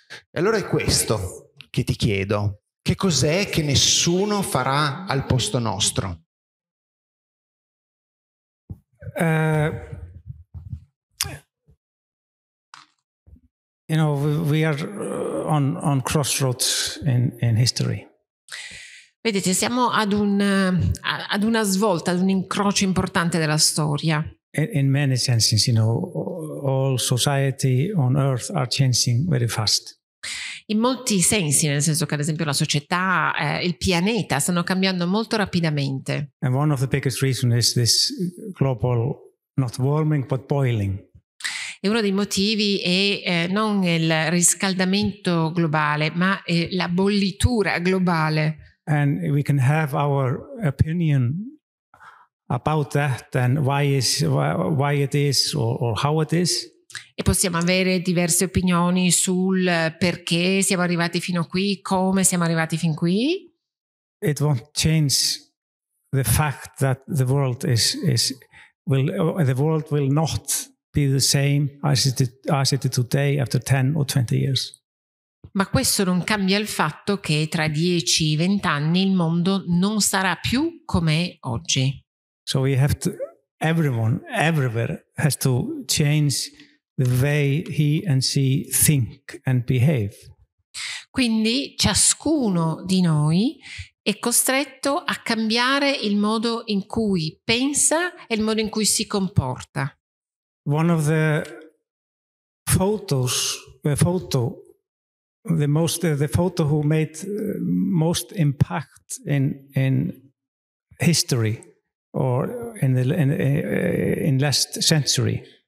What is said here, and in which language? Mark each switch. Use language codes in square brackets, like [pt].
[it] E allora è questo che ti chiedo. Che cos'è che nessuno farà al posto nostro? [en] You know, we are on crossroads in history. [it] Vedete, siamo ad una svolta, ad un incrocio importante della storia. [en] In many senses, you know, all society on earth are changing very fast. [it] In molti sensi, nel senso che ad esempio la società, il pianeta stanno cambiando molto rapidamente. [en] And one of the biggest reasons is this global not warming but boiling. [it] E uno dei motivi è non il riscaldamento globale, ma la bollitura globale. [en] And we can have our opinion about that and why it is or how it is. [it] E possiamo avere diverse opinioni sul perché siamo arrivati fino qui, come siamo arrivati fin qui. [en] It won't change the fact that the world will not be the same as it is today after 10 or 20 years. [it] Ma questo non cambia il fatto che tra 10, 20 anni il mondo non sarà più come oggi. [en] So we have to, everyone, everywhere has to change the way he and she think and behave. [it] Quindi ciascuno di noi è costretto a cambiare il modo in cui pensa e il modo in cui si comporta. [en] One of the photo who made most impact in history or in last century.